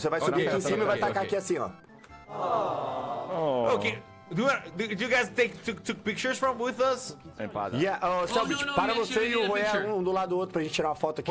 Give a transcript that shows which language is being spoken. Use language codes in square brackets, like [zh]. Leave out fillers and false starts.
[pt] Você vai subir aqui em cima e vai tacar aqui assim, ó. [en] Okay. Do you guys took pictures from with us? Yeah, [pt] Celso, para você e o Royer um do lado do outro pra gente tirar uma foto aqui.